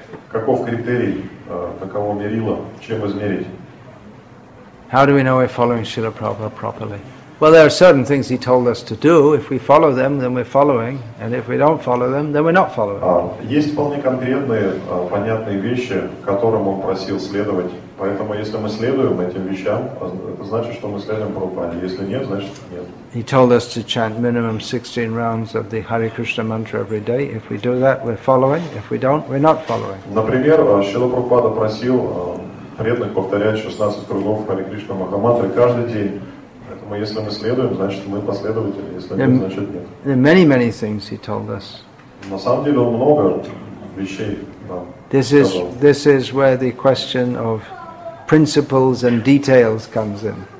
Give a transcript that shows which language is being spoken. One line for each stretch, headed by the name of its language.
Russian: Каков критерий, каково мерило, чем измерить?
English: How do we know we're following Srila Prabhupada properly? Well, there are certain things he told us to do. If we follow them, then we're following. And if we don't follow them, then we're not following.
Russian: Есть вполне конкретные, понятные вещи, которым он просил следовать. Поэтому, если мы следуем этим вещам, это значит, что мы следуем Прабхупаде. Если нет, значит, нет.
English: He told us to chant minimum 16 rounds of the Hare Krishna mantra every day. If we do that, we're following. If we don't, we're not following.
Russian: Например, Шрила Прабхупада просил преданных повторять 16 кругов Hare Krishna Mahamantra каждый день. Поэтому, если мы следуем, значит, мы последователи. Если нет, значит, нет.
English: There are many, many things he told us.
Russian: На самом деле, много вещей.
English: This is where the question of principles and details comes in.